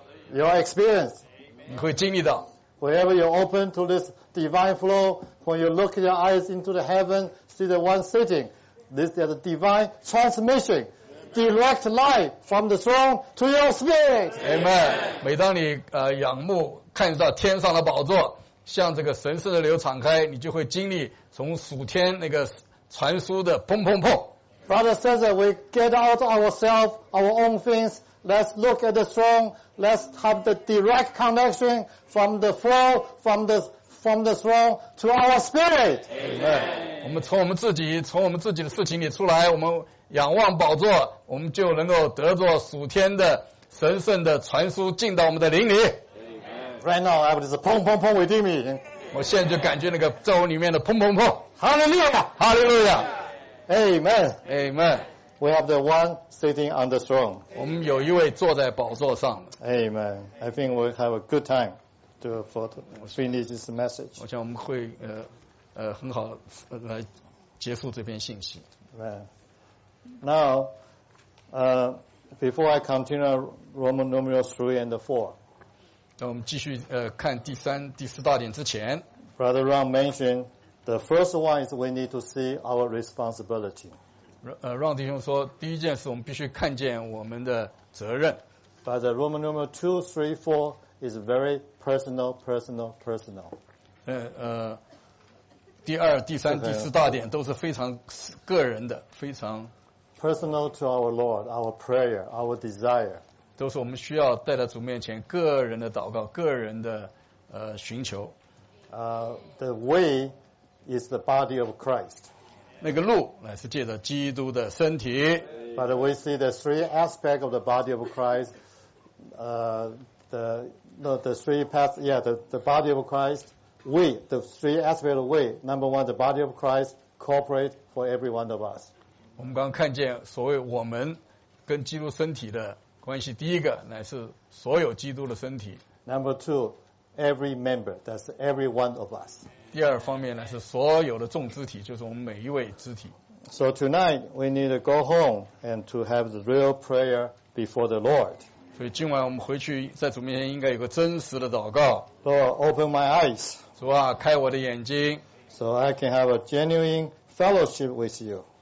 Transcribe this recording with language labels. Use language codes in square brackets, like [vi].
[en] Your experience, [zh] 你会经历到。 [en] Whenever you open to this divine flow, when you look your eyes into the heaven, see the one sitting, this is a divine transmission, direct light from the throne to your spirit. Amen. [zh] 每当你仰慕看到天上的宝座，像这个神圣的流敞开，你就会经历从属天那个传输的砰砰砰。 [en] Brother says that we get out ourselves, our own things. Let's look at the throne. Let's have the direct connection from the flow, from the throne to our spirit. Amen. [zh] 我们从我们自己，从我们自己的事情里出来，我们仰望宝座，我们就能够得着属天的神圣的传输进到我们的灵里。 [en] Right now, I would just pong pong pong within me. [zh] 我现在就感觉那个在我里面的砰砰砰。 [en] Hallelujah! Hallelujah! Amen! Amen! We have the one sitting on the throne. [zh] 我们有一位坐在宝座上。 [en] Amen! I think we have a good time to finish this message. [zh] 我想我们会很好来结束这篇信息。 [en] Right. Now, before I continue Roman numeral 3 and 4. [zh] 那我们继续看第三、第四大点之前。 [en] Brother Ron mentioned the first one is we need to see our responsibility. [zh] Ron 弟兄说，第一件事我们必须看见我们的责任。 [en] But the Roman numeral 2, 3, 4 is very personal, personal, personal. [zh] 第二、第三、第四大点都是非常个人的，非常 [en] personal to our Lord, our prayer, our desire. [zh] 都是我们需要带到主面前个人的祷告个人的寻求 [en] The way is the body of Christ [zh] 那个路是借着基督的身体 [en] But we see the three aspects of the body of Christ the body of Christ we the three aspects of we number one the body of Christ cooperate for every one of us [zh] 我们刚看见所谓我们跟基督身体的关系第一个乃是所有基督的身体 [en] Number two, every member, that's every one of us. [zh] 第二方面乃是所有的众肢体就是我们每一位肢体 [en] So tonight, we need to go home and to have the real prayer before the Lord. [zh] 所以今晚我们回去在主面前应该有个真实的祷告 [en] Lord, open my eyes. [zh] 主啊开我的眼睛 [en] So I can have a genuine fellowship with you.